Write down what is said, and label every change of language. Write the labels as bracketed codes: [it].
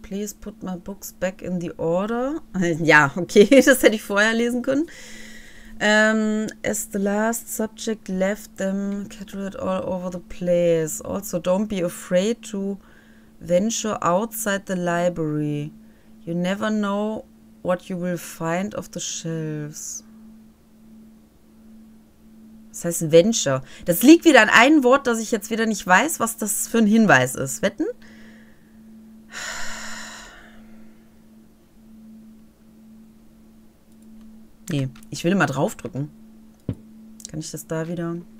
[en] Please put my books back in the order. [de] Ja, okay, das hätte ich vorher lesen können. [en] As the last subject left them, scattered all over the place. Also, don't be afraid to venture outside the library. You never know what you will find off the shelves. [de] Das heißt Venture. Das liegt wieder an einem Wort, das ich jetzt wieder nicht weiß, was das für ein Hinweis ist. Wetten? Nee, ich will mal draufdrücken. Kann ich das da wieder?